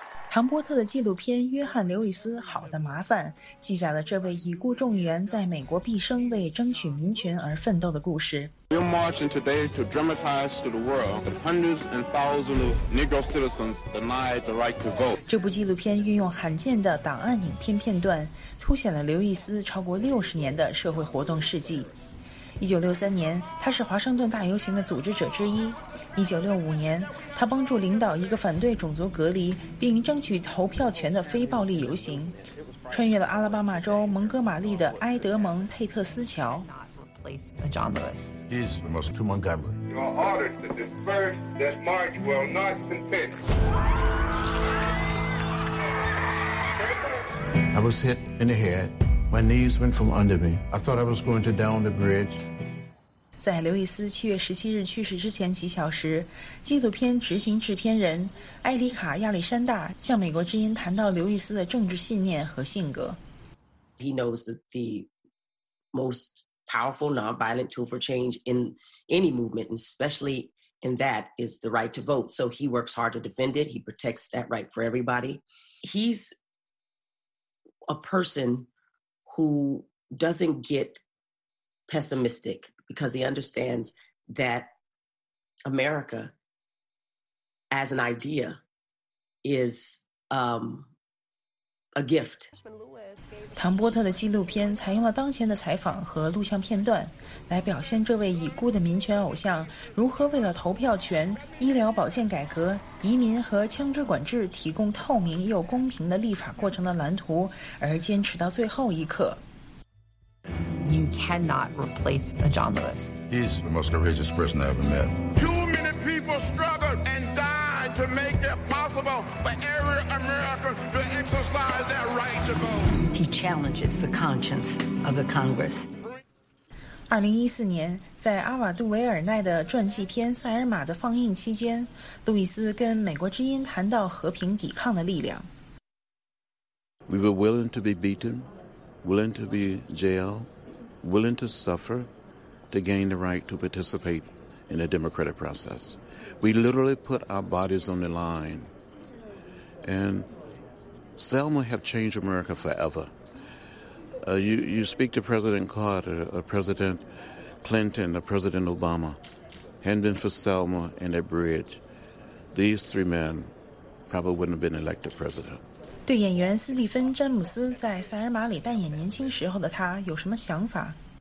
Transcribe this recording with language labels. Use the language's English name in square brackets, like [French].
[Chinese] 唐波特的纪录片《约翰·刘易斯：好的麻烦》记载了这位已故众议员在美国毕生为争取民权而奋斗的故事。 [English] We're marching today to dramatize to the world that hundreds and thousands of Negro citizens denied the right to vote. [Chinese] 这部纪录片运用罕见的档案影片片段，凸显了刘易斯超过60年的社会活动事迹。 1963年，他是华盛顿大游行的组织者之一。 1965年，他帮助领导一个反对种族隔离并争取投票权的非暴力游行，穿越了阿拉巴马州蒙哥马利的埃德蒙·佩特斯桥。 [English] I was hit in the head My knees went from under me. I thought I was going to down the bridge. [Chinese] 在刘易斯七月十七日去世之前几小时，纪录片执行制片人埃里卡·亚历山大向美国之音谈到刘易斯的政治信念和性格。 [English] He knows that the most powerful nonviolent tool for change in any movement, especially in that, is the right to vote. So he works hard to defend it. He protects that right for everybody. He's a person who doesn't get pessimistic. Because he understands that America as an idea is, a gift. [Chinese] 唐波特的纪录片采用了当前的采访和录像片段来表现这位已故的民权偶像如何为了投票权、医疗保健改革、移民和枪支管制提供透明又公平的立法过程的蓝图而坚持到最后一刻。 [English] You cannot replace a John Lewis. He's the most courageous person I ever met. Too many people struggled and died to make it possible for every American to exercise their right to vote. He challenges the conscience of the Congress. [Chinese] 2014年，在阿瓦杜维尔奈的传记片《塞尔玛》的放映期间，路易斯跟美国之音谈到和平抵抗的力量。 [English] We were willing to be beaten. Willing to be jailed, willing to suffer to gain the right to participate in a democratic process. We literally put our bodies on the line. And Selma have changed America forever. You speak to President Carter, President Clinton, President Obama, hadn't been for Selma and that bridge, these three men probably wouldn't have been elected president. [Chinese] 对演员斯蒂芬·詹姆斯在《塞尔玛》里扮演年轻时候的他有什么想法